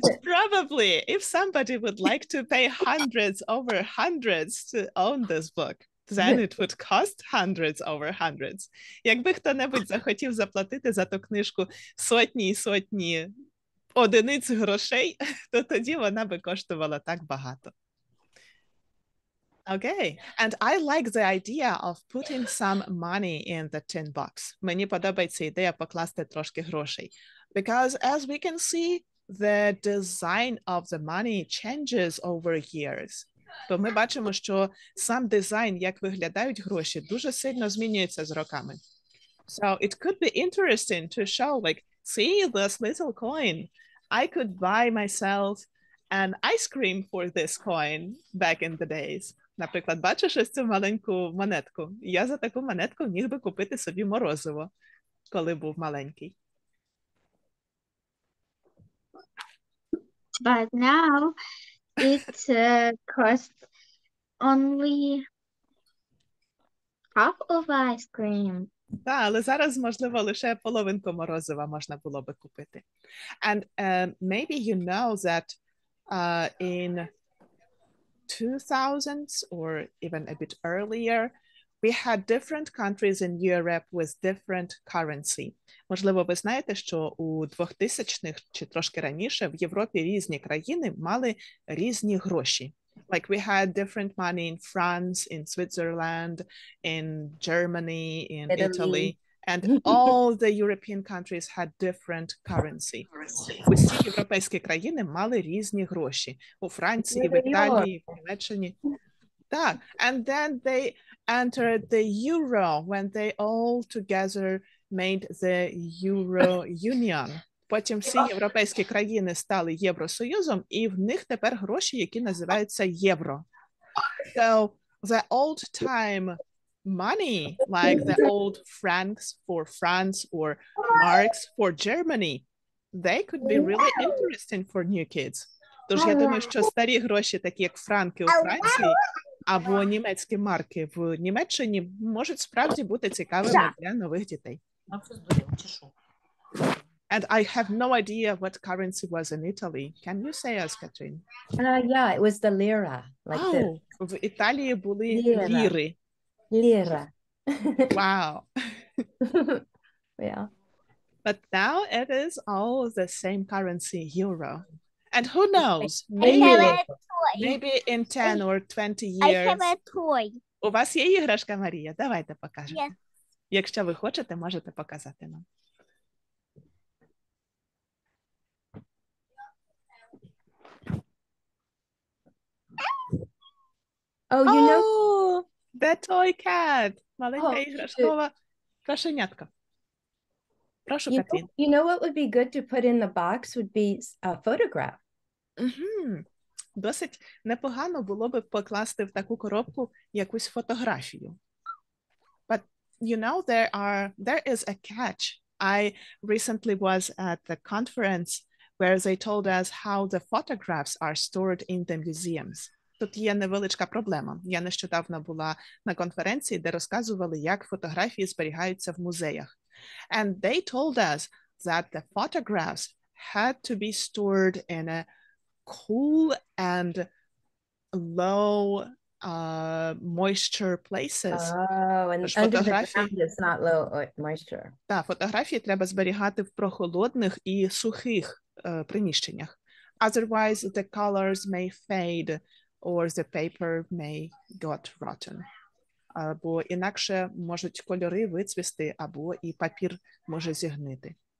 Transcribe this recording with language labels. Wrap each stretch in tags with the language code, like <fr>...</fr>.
<en>Probably, if somebody would like to pay hundreds over hundreds to own this book, then it would cost hundreds over hundreds.</en> <uk>Якби хто-небудь захотів заплатити за ту книжку сотні і сотні одиниць грошей, то тоді вона би коштувала так багато.</uk> <en>Okay, and I like the idea of putting some money in the tin box.</en> <uk>Мені подобається ідея покласти трошки грошей.</uk> <en>Because as we can see, the design of the money changes over years.</en> <uk>Бо ми бачимо, що сам дизайн, як виглядають гроші, дуже сильно змінюється з роками.</uk> <en>So it could be interesting to show, like, see this little coin. I could buy myself an ice cream for this coin back in the days.</en> <uk>Наприклад, бачиш ось цю маленьку монетку? Я за таку монетку міг би купити собі морозиво, коли був маленький.</uk> <en>But now it costs only half of ice cream.</en> <uk>Так, але зараз, можливо, лише половинку морозива можна було би купити.</uk> <en>And maybe you know that in 2000s or even a bit earlier, we had different countries in Europe with different currency.</en> <uk>Можливо, ви знаєте, що у 2000-х чи трошки раніше в Європі різні країни мали різні гроші.</uk> <en>Like we had different money in France, in Switzerland, in Germany, in Italy. And all the European countries had different currency.</en> <uk>Усі європейські країни мали різні гроші. У Франції, в Італії, в Німеччині. Так.</uk> <en>And then they entered the euro when they all together made the euro union.</en> <uk>Потім всі європейські країни стали Євросоюзом, і в них тепер гроші, які називаються євро.</uk> <en>So the old time money, like the old francs for France or marks for Germany, they could be really interesting for new kids.</en> <uk>Тож я думаю, що старі гроші, такі як франки у Франції або німецькі марки в Німеччині, можуть справді бути цікавими для нових дітей.</uk> <en>And I have no idea what currency was in Italy. Can you say us, Katrin? Yeah, it was the lira. Like</en> <uk>В Італії були ліри.</uk> <en>Lira. Wow. Yeah. But now it is all the same currency, euro. And who knows? Maybe, maybe in 10 or 20 years. I have a toy.</en> <uk>У вас є іграшка, Марія? Давайте покажемо. Yes. Якщо ви хочете, можете показати нам.</uk> <en>Oh, you know the toy cat.</en> <uk>Маленька іграшкова кошенятка. Прошу, Катрін.</uk> <en>You know what would be good to put in the box would be a photograph. Mm-hmm.</en> <uk>Досить непогано було б покласти в таку коробку якусь фотографію.</uk> <en>But you know there is a catch. I recently was at the conference where they told us how the photographs are stored in the museums.</en> <uk>Тут є невеличка проблема. Я нещодавно була на конференції, де розказували, як фотографії зберігаються в музеях.</uk> <en>And they told us that the photographs had to be stored in a cool and low moisture places. Oh, and under the ground it's not low moisture.</en> <uk>Так, фотографії треба зберігати в прохолодних і сухих приміщеннях.</uk> <en>Otherwise, the colors may fade or the paper may got rotten.</en> <uk>Або інакше можуть кольори вицвісти, або і папір може зігнити.</uk>